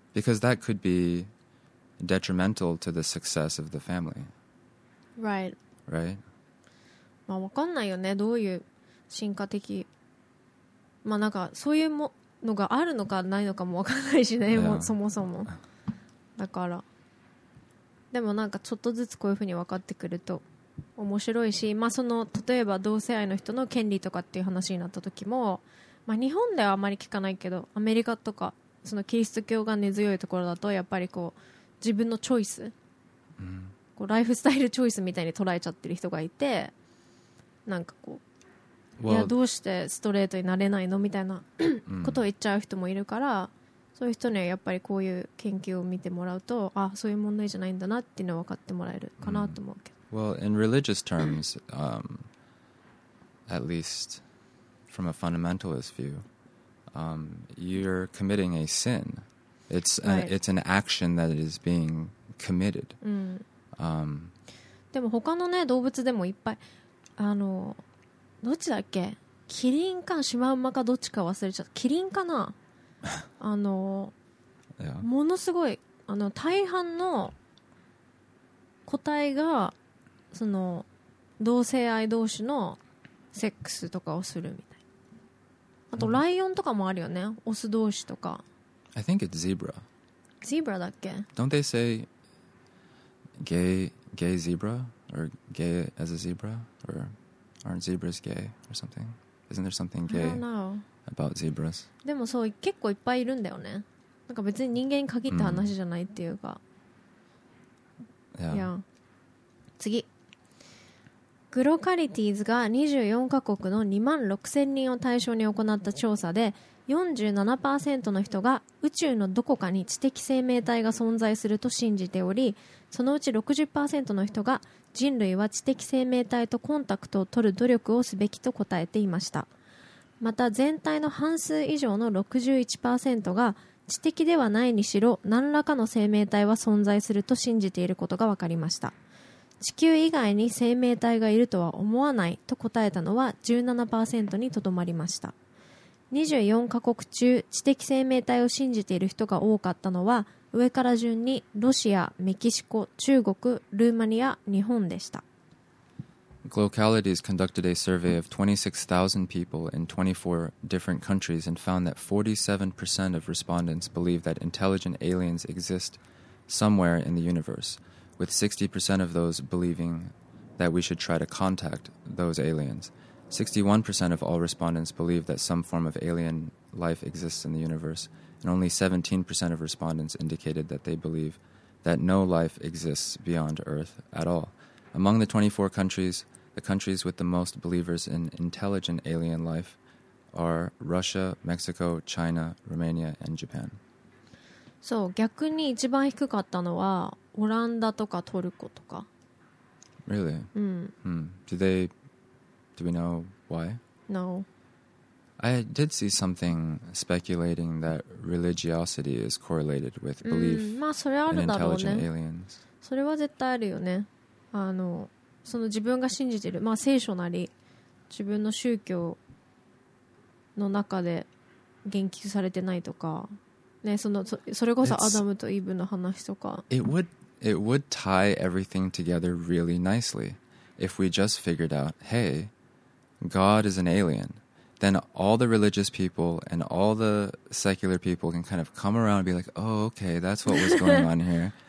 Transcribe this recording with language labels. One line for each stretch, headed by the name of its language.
English: Because that could be detrimental to the success of the family. Right. Right.
Japanese: まあ、わかんないよね。どういう進化的、まあ、なんかそういうものがあるのかないのかもわかんないしね。もうそもそも。だから。でもなんかちょっとずつこういうふうに分かってくると面白いし、まあ、その例えば同性愛の人の権利とかっていう話になった時も、まあ、日本ではあまり聞かないけど、アメリカとかそのキリスト教が根強いところだとやっぱりこう自分のチョイス、こうライフスタイルチョイスみたいに捉えちゃってる人がいて、なんかこう、いやどうしてストレートになれないのみたいなことを言っちゃう人もいるから、そういう人にはやっぱりこういう研究を見てもらうと、あ、そういう問題じゃないんだなっていうのを分かってもらえるかなと思うけど。
English: Well, in religious terms, at least from a fundamentalist view, you're committing a sin. It's it's an action that is being committed.
Japanese: でも他のね、動物でもいっぱい、あの、どっちだっけ、キリンかシマウマかどっちか忘れちゃった。キリンかな。あの、
English: yeah.
Japanese: ものすごい、あの、大半の個体がその同性愛同士のセックスとかをするみたい。あとライオンとかもあるよね、オス同士とか。
English: I think it's zebra.
Japanese: Zebra だっけ。
English: Don't they say gay zebra or gay as a zebra or aren't zebras gay or something? Isn't there something gay? I don't know. About zebras.
Japanese: でもそう、結構いっぱいいるんだよね。なんか別に人間に限った話じゃないっていうか。
English: Yeah.
Japanese: 次。グロカリティーズが24カ国の2万6000人を対象に行った調査で、47% の人が宇宙のどこかに知的生命体が存在すると信じており、そのうち 60% の人が人類は知的生命体とコンタクトを取る努力をすべきと答えていました。また全体の半数以上の 61% が知的ではないにしろ何らかの生命体は存在すると信じていることが分かりました。地球以外に生命体がいるとは思わないと答えたのは 17% にとどまりました。 24カ国中知的生命体を信じている人が多かったのは、上から順にロシア、メキシコ、中国、ルーマニア、日本でした。
English: Glocalities conducted a survey of 26,000 people in 24 different countries and found that 47% of respondents believe that intelligent aliens exist somewhere in the universe, with 60% of those believing that we should try to contact those aliens. 61% of all respondents believe that some form of alien life exists in the universe, and only 17% of respondents indicated that they believe that no life exists beyond Earth at all. Among the 24 countries,The countries with the most believers in intelligent alien life are Russia, Mexico, China, Romania, and Japan.
Japanese: そう、逆に一番低かったのはオランダとかトルコとか。
English: Really? Do we know why? No. I did see something speculating that religiosity is correlated with belief in intelligent aliens.
Japanese: それは絶対あるよね。あの、その自分が信じてる、まあ、聖書なり自分の宗教の中で言及されてないとか、ね、それこそアダムとイブの話とか、
English: it would tie everything together really nicely if we just figured out, hey, God is an alien, then all the religious people and all the secular people can kind of come around and be like, oh, okay, that's what was going on here.